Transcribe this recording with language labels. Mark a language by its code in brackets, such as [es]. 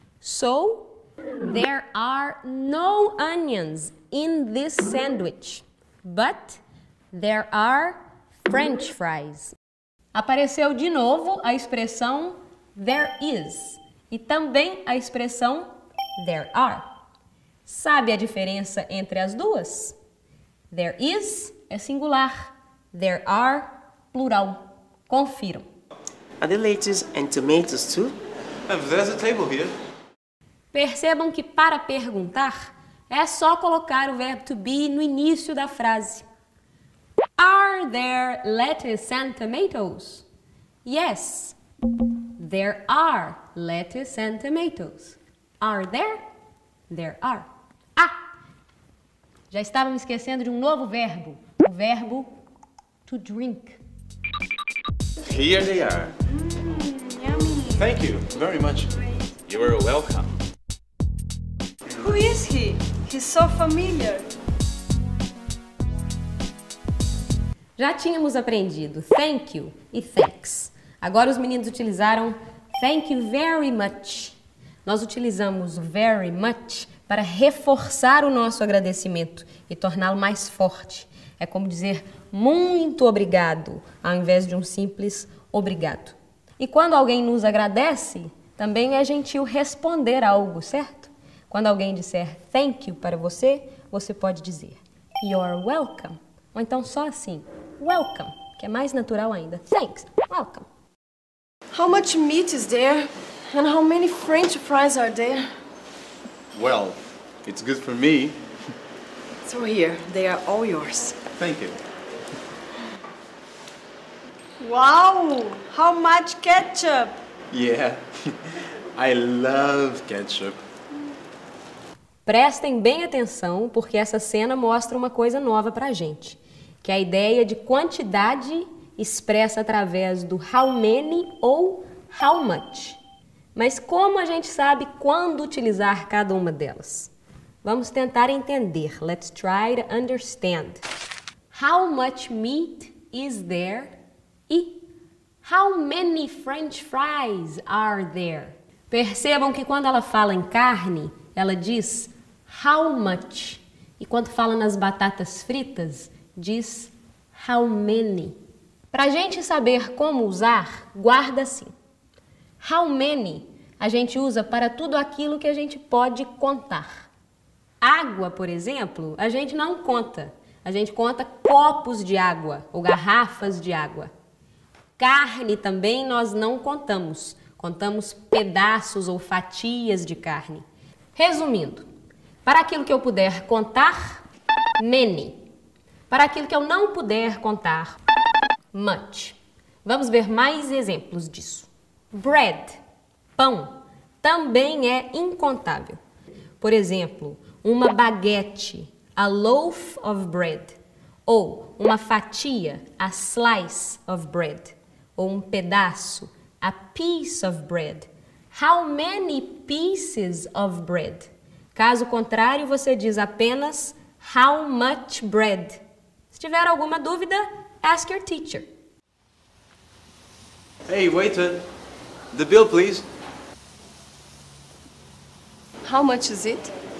[en] So, there are no onions in this sandwich. But, there are french fries. [pt] Apareceu de novo a expressão [en] there is. [pt] E também a expressão [en] there are. [pt] Sabe a diferença entre as duas? [en] There is [pt] é singular. [en] There are, [pt] plural. Confiram. [en] Are there lettuces and tomatoes too? There's a table here. [pt] Percebam que para perguntar, é só colocar o verbo to be no início da frase. [en] Are there lettuces and tomatoes? Yes. There are lettuces and tomatoes. Are there? There are. Ah! [pt] Já estava me esquecendo de um novo verbo. O verbo [en] to drink. Here they are. Yummy. Thank you very much. You are welcome. Who is he? He's so familiar. [pt] Já tínhamos aprendido [en] thank you [pt] e thanks. Agora os meninos utilizaram [en] thank you very much. [pt] Nós utilizamos [en] very much [pt] para reforçar o nosso agradecimento e torná-lo mais forte. É como dizer muito obrigado, ao invés de um simples obrigado. E quando alguém nos agradece, também é gentil responder algo, certo? Quando alguém disser [en] thank you [pt] para você, você pode dizer [en] you're welcome. [pt] Ou então só assim, welcome, que é mais natural ainda. [en] Thanks, welcome. How much meat is there? And how many French fries are there? Well, it's good for me. So here, they are all yours. Thank you. Wow, how much ketchup? Yeah, I love ketchup. [pt] Prestem bem atenção, porque essa cena mostra uma coisa nova pra gente. Que a ideia de quantidade expressa através do [en] how many [pt] ou [en] how much. [pt] Mas como a gente sabe quando utilizar cada uma delas? Vamos tentar entender. [en] Let's try to understand. How much meat is there? E how many French fries are there? [pt] Percebam que quando ela fala em carne, ela diz [en] how much. [pt] E quando fala nas batatas fritas, diz [en] how many. [pt] Para a gente saber como usar, guarda assim. [en] How many [pt] a gente usa para tudo aquilo que a gente pode contar. Água, por exemplo, a gente não conta. A gente conta copos de água ou garrafas de água. Carne também nós não contamos. Contamos pedaços ou fatias de carne. Resumindo, para aquilo que eu puder contar, many. Para aquilo que eu não puder contar, much. Vamos ver mais exemplos disso. Bread, pão, também é incontável. Por exemplo, uma baguete, [en] a loaf of bread. [pt] Ou uma fatia, [en] a slice of bread. [pt] Ou um pedaço, [en] a piece of bread. How many pieces of bread? [pt] Caso contrário, você diz apenas [en] how much bread. [pt] Se tiver alguma dúvida, [en] ask your teacher. Hey, waiter. The bill, please. How much is it?